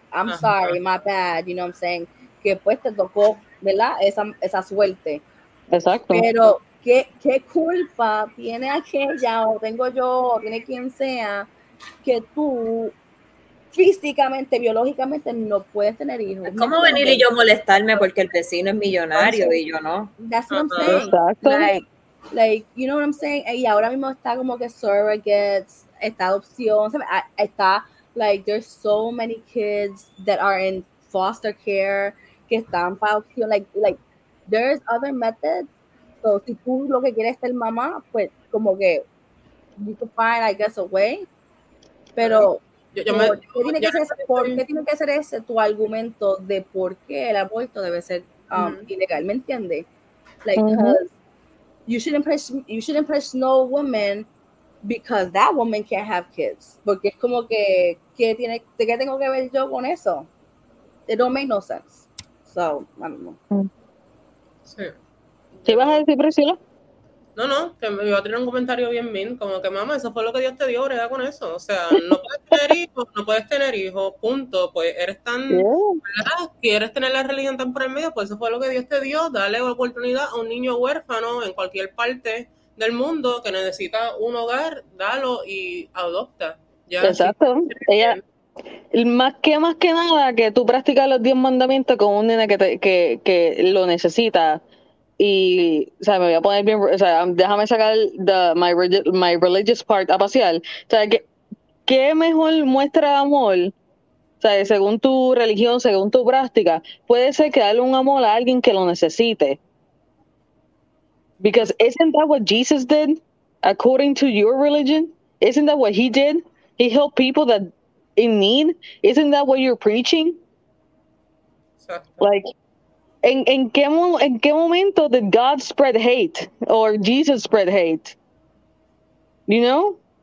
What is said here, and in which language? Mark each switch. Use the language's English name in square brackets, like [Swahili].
[English] I'm sorry, my bad, you know what I'm saying? [Spanish] Que pues te tocó, ¿verdad? Esa suerte. Exacto. Pero... ¿Qué culpa tiene aquella o tengo yo o tiene quien sea que tú físicamente, biológicamente no puedes tener hijos? Es como venir y yo molestarme porque el vecino es millonario y yo no. [English] That's what I'm saying. [Spanish] Exacto. [English] Like, you know what I'm saying? [Spanish] Y ahora mismo está como que [English] surrogates, [Spanish] está adopción, está, [English] like, there's so many kids that are in foster care, [Spanish] que están para adopción, [English] like, there's other methods. [Spanish] So, si tú lo que quieres es ser mamá, pues como que [English] you can find, I guess, a way. [Spanish] Pero, ¿qué tiene que ser ese tu argumento de por qué el aborto debe ser ilegal? ¿Me entiendes? [English] Like, you shouldn't push no woman because that woman can't have kids. [Spanish] Porque es como que, ¿de qué tengo que ver yo con eso? [English] It don't make no sense. So, I don't know. [Spanish] ¿Qué ibas a decir, Priscila? No, que me iba a tener un comentario bien mean, como que mamá, eso fue lo que Dios te dio, brega con eso. O sea, no puedes tener hijos, punto. Pues eres tan, ¿verdad? Quieres tener la religión tan por el medio, pues eso fue lo que Dios te dio. Dale oportunidad a un niño huérfano en cualquier parte del mundo que necesita un hogar, dalo y adopta. Ya, exacto. Más que nada que tú practicas los 10 mandamientos con un nene que lo necesita. Y, o sea, me voy a poner bien, o sea, déjame sacar [English] my religious part [Spanish] a pasear. O sea, ¿qué mejor muestra de amor? O sea, según tu religión, según tu práctica, puede ser que darle un amor a alguien que lo necesite. [English] Because isn't that what Jesus did, according to your religion? Isn't that what he did? He helped people that in need? Isn't that what you're preaching? Like, [Spanish] ¿En qué momento [English] did God spread hate or Jesus spread hate? You know?